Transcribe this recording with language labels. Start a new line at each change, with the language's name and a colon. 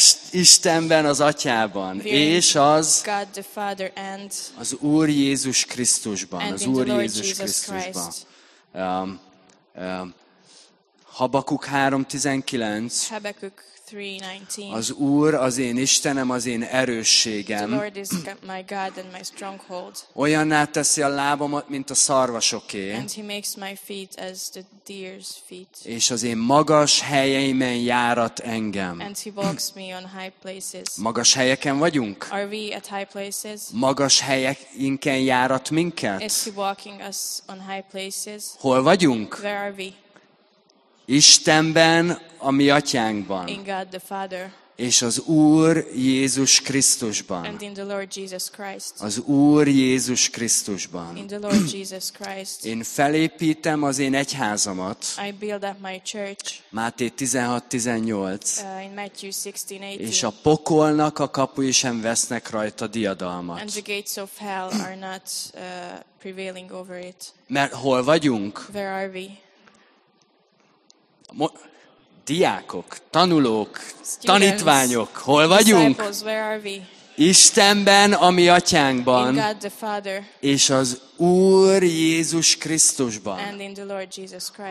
Hungarian: Istenben, az Atyában, és az
English: God the Father and
Hungarian: az Úr Jézus Krisztusban, az Úr Jézus Krisztusban. Habakuk 3:19. Habakuk 3:19. Az Úr az én Istenem, az én erősségem.
English: The Lord is my God and my stronghold.
Hungarian: Olyanná teszi a lábamat, mint a szarvasoké.
English: And he makes my feet as the deer's feet.
Hungarian: És az én magas helyeimen járat engem.
English: And he walks me on high places.
Hungarian: Magas helyeken vagyunk?
English: Are we at high places?
Hungarian: Magas helyeinken járat minket?
English: Is he walking us on high places?
Hungarian: Hol vagyunk?
English: Where are we?
Hungarian: Istenben, a mi atyánkban.
English: In God the Father.
Hungarian: És az Úr Jézus Krisztusban.
English: And in the Lord Jesus Christ.
Hungarian: Az Úr Jézus Krisztusban.
English: In the Lord Jesus Christ.
Hungarian: Én felépítem az én egyházamat.
English: I build up my church.
Hungarian: Máté 16:18.
English: In Matthew 16:18.
Hungarian: És a pokolnak a kapui sem vesznek rajta diadalmat.
English: And the gates of hell are not prevailing over it.
Hungarian: Mert hol vagyunk?
English: Where are we?
Hungarian: Diákok, tanulók, students, tanítványok, hol vagyunk?
English: Where are we?
Hungarian: Istenben, a mi atyánkban,
English: in God the Father,
Hungarian: és az Úr Jézus Krisztusban.
English: And in the Lord Jesus Christ.